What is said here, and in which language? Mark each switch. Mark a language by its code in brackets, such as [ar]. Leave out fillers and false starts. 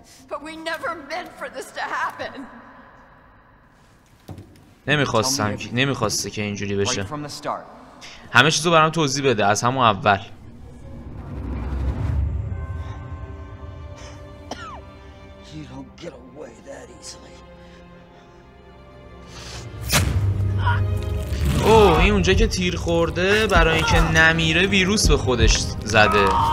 [en] But we never meant for this to happen. [fa] نمیخواستم که، نمیخواسته که اینجوری بشه. همه چیزو برام توضیح بده از همون اول. [en] You don't get away that easily. [fa] اوه این اونجا که تیر خورده برای اینکه نمیره ویروس به خودش زده.